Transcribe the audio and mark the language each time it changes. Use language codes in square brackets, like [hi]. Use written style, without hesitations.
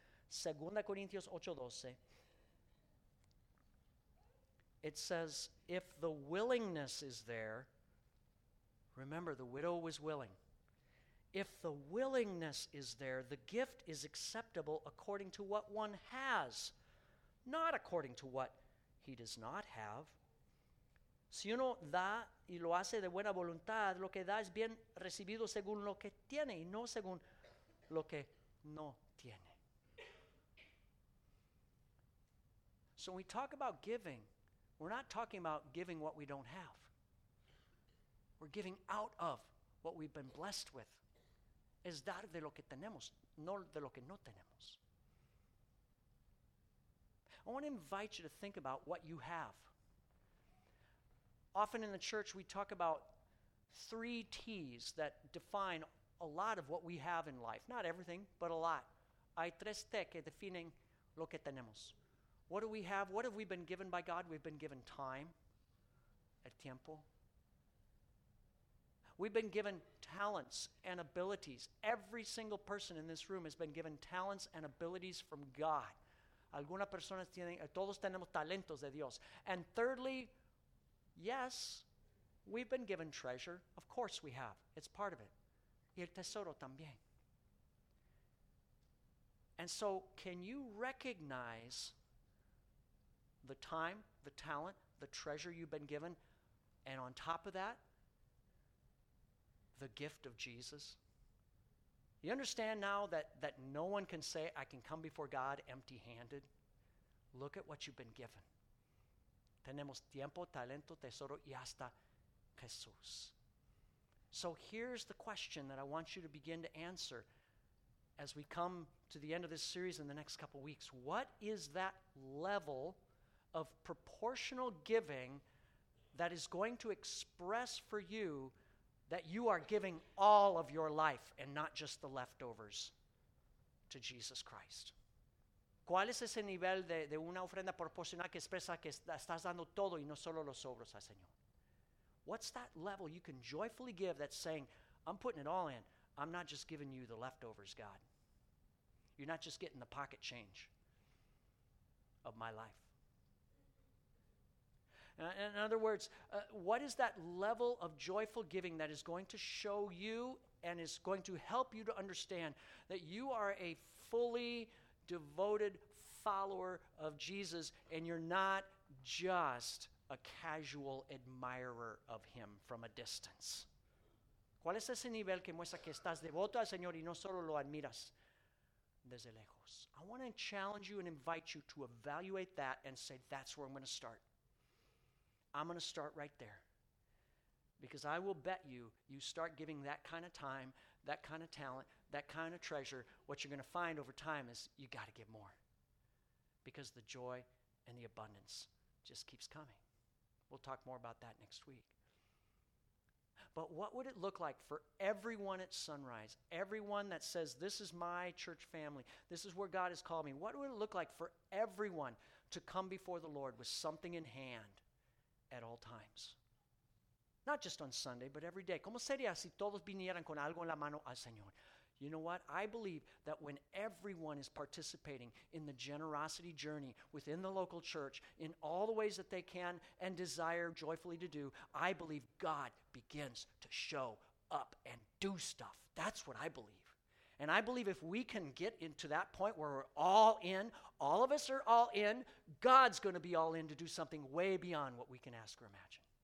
[en] 2 Corinthians 8:12, it says, if the willingness is there, remember the widow was willing. If the willingness is there, the gift is acceptable according to what one has, not according to what he does not have. [es] Si uno da y lo hace de buena voluntad, lo que da es bien recibido según lo que tiene y no según lo que no tiene. [en] So when we talk about giving, we're not talking about giving what we don't have. We're giving out of what we've been blessed with. [es] Es dar de lo que tenemos, no de lo que no tenemos. [en] I want to invite you to think about what you have. Often in the church, we talk about three T's that define a lot of what we have in life. Not everything, but a lot. [es] Hay tres T que definen lo que tenemos. [en] What do we have? What have we been given by God? We've been given time, el tiempo. We've been given talents and abilities. Every single person in this room has been given talents and abilities from God. [es] Algunas personas tienen, todos tenemos talentos de Dios. [en] And thirdly, yes, we've been given treasure. Of course we have. It's part of it. [es] Y el tesoro también. [en] And so, can you recognize the time, the talent, the treasure you've been given, and on top of that, the gift of Jesus? You understand now that no one can say, I can come before God empty-handed? Look at what you've been given. [es] Tenemos tiempo, talento, tesoro, y hasta Jesús. [en] So here's the question that I want you to begin to answer as we come to the end of this series in the next couple weeks. What is that level of proportional giving that is going to express for you that you are giving all of your life and not just the leftovers to Jesus Christ? [es] ¿Cuál es ese nivel de una ofrenda proporcional que expresa que estás dando todo y no solo los sobros al Señor? [en] What's that level you can joyfully give that's saying, I'm putting it all in. I'm not just giving you the leftovers, God. You're not just getting the pocket change of my life. In other words, what is that level of joyful giving that is going to show you and is going to help you to understand that you are a fully devoted follower of Jesus and you're not just a casual admirer of him from a distance? [es] ¿Cuál es ese nivel que muestra que estás devoto al Señor y no solo lo admiras desde lejos? [en] I want to challenge you and invite you to evaluate that and say, that's where I'm going to start. I'm going to start right there. Because I will bet you start giving that kind of time, that kind of talent, that kind of treasure, what you're going to find over time is you got to give more. Because the joy and the abundance just keeps coming. We'll talk more about that next week. But what would it look like for everyone at Sunrise, everyone that says, this is my church family, this is where God has called me, what would it look like for everyone to come before the Lord with something in hand at all times? Not just on Sunday, but every day. [es] ¿Cómo sería si todos vinieran con algo en la mano al Señor? [en] You know what? I believe that when everyone is participating in the generosity journey within the local church in all the ways that they can and desire joyfully to do, I believe God begins to show up and do stuff. That's what I believe. And I believe if we can get into that point where we're all in, all of us are all in, God's going to be all in to do something way beyond what we can ask or imagine.